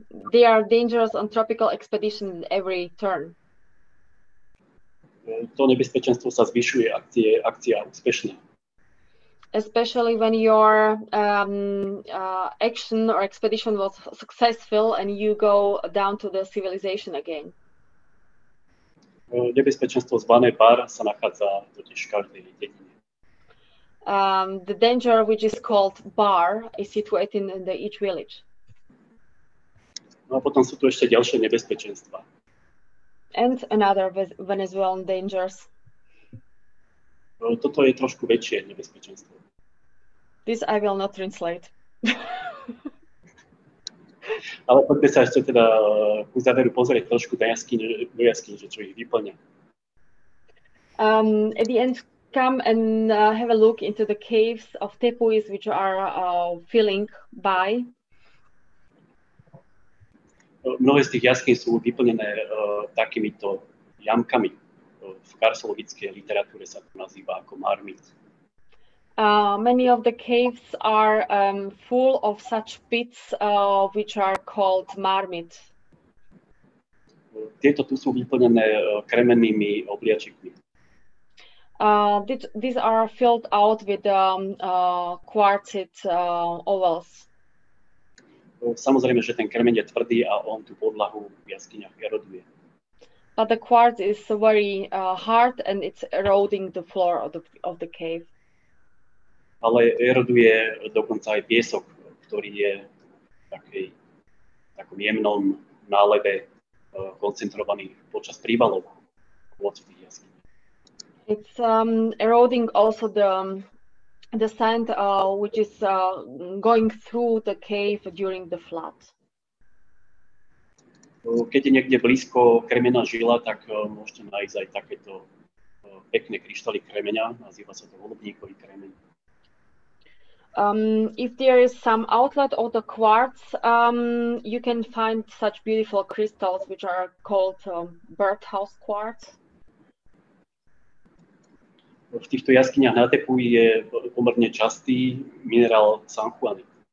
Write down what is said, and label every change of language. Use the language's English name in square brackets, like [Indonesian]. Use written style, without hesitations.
[English] They are dangerous on tropical expedition at every turn. [Slovak] To nebezpečenstvo sa zvyšuje, ak je akcia úspešná. [English] Especially when your action or expedition was successful and you go down to the civilization again. [Slovak] Nebezpečenstvo zvané bar sa nachádza totiž v každej dedine. [English] The danger which is called bar is situated in the each village. [Slovak] No a potom sú tu ešte ďalšie nebezpečenstva. [English] And another Venezuelan dangers. [Slovak] Toto je trošku väčšie nebezpečenstvo. [English] This I will not translate. [Slovak] Ale poďme sa ešte teda ku záveru pozrieť trošku do jaskyň, že čo ich vyplňa. [English] At the end, come and have a look into the caves of Tepuis, which are filling by. [Slovak] mnohé z tých jaskýň sú vyplnené takýmito jamkami. V karstologickej literatúre sa to nazýva ako marmit. [English] Many of the caves are full of such pits, which are called marmit. [Slovak] Tieto tu sú vyplnené kremennými obliačikmi. [English] These are filled out with quartzite ovals. [Slovak] Samozrejme, že ten kremen je tvrdý a on tú podlahu v jaskyniach eroduje. [English] But the quartz is very hard and it's eroding the floor of the cave. [Slovak] Ale eroduje dokonca aj piesok, ktorý je taký, takom jemnom náleve koncentrovaný počas príbalov od tých jaskyní. [English] It's eroding also the sand which is going through the cave during the flood. [Slovak] Keď je niekde blízko kremená žila, tak môžete nájsť aj takéto pekné kryštály kremenia, nazýva sa to holubníkový kremen. [English] If there is some outlet of the quartz, you can find such beautiful crystals which are called birdhouse quartz. [Slovak] V týchto jaskyniach na Tepui je pomerne častý minerál sanjuanit.